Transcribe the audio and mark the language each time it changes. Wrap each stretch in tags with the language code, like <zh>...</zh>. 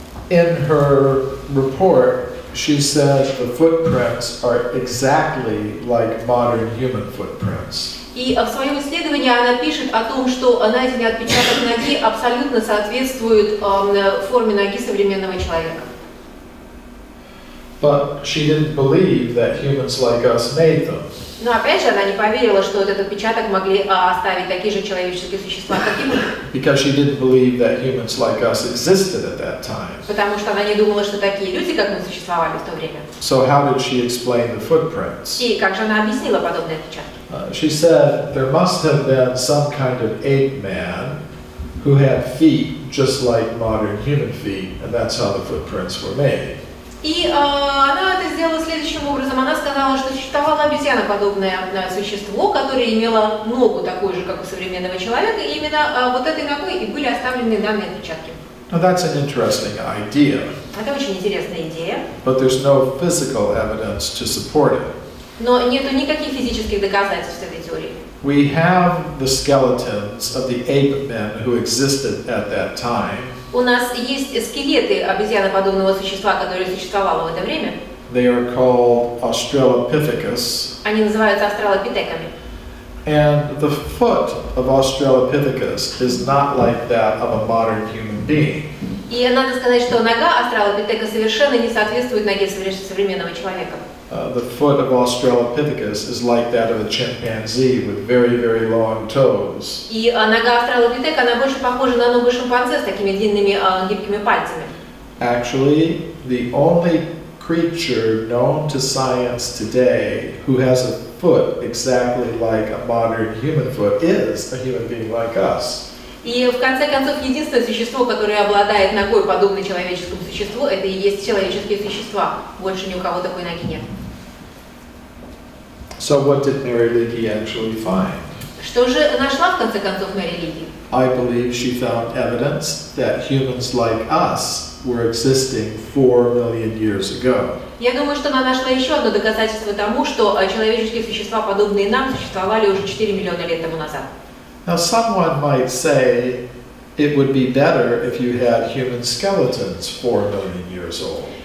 <en>In her report, she says the footprints are exactly like modern human footprints.</en> <ru>И в своем исследовании она пишет о том, что найденные отпечаток ноги абсолютно соответствуют форме ноги современного человека.</ru> <en>But she didn't believe that humans like us made them.</en> <ru>Но опять же, она не поверила, что этот отпечаток могли оставить такие же человеческие существа, как и мы.</ru> <en>Because she didn't believe that humans like us existed at that time.</en> <ru>Потому что она не думала, что такие люди, как мы, существовали в то время.</ru> <en>So how did she explain the footprints?</en> <ru>И как же она объяснила подобные отпечатки?</ru> <en>She said there must have been some kind of ape man who had feet just like modern human feet, and that's how the footprints were made.</en> <ru>И она это сделала следующим образом. Она сказала, что существовало обезьяноподобное существо, которое имело ногу такую же, как у современного человека, и именно вот этой ногой и были оставлены данные отпечатки.</ru> <en>Now that's an interesting idea.</en> <ru>Это очень интересная идея.</ru> <en>But there's no physical evidence to support it.</en> <ru>Но нету никаких физических доказательств этой теории.</ru> <en>We have the skeletons of the ape men who existed at that time.</en> <ru>У нас есть скелеты обезьяноподобного существа, которое существовало в это время.</ru> <en>They are called Australopithecus.</en> <ru>Они называются австралопитеками.</ru> <en>And the foot of Australopithecus is not like that of a modern human being.</en> <ru>И надо сказать, что нога австралопитека совершенно не соответствует ноге современного человека.</ru> <en>The foot of Australopithecus is like that of a chimpanzee with very, very long toes.</en> <ru>И нога австралопитека, она больше похожа на ногу шимпанзе с такими длинными гибкими пальцами.</ru> <en>Actually, the only creature known to science today who has a foot exactly like a modern human foot is a human being like us.</en> <ru>И в конце концов, единственное существо, которое обладает ногой, подобной человеческому существу, это и есть человеческие существа. Больше ни у кого такой ноги нет.</ru> <en>So what did Mary Leakey actually find?</en> <ru>Что же нашла в конце концов Мэри Лики?</ru> <en>I believe she found evidence that humans like us were existing 4 million years ago.</en> <ru>Я думаю, что она нашла еще одно доказательство тому, что человеческие существа, подобные нам, существовали уже 4 миллиона лет тому назад.</ru> <en>Now someone might say it would be better if you had human skeletons 4 million years old.</en>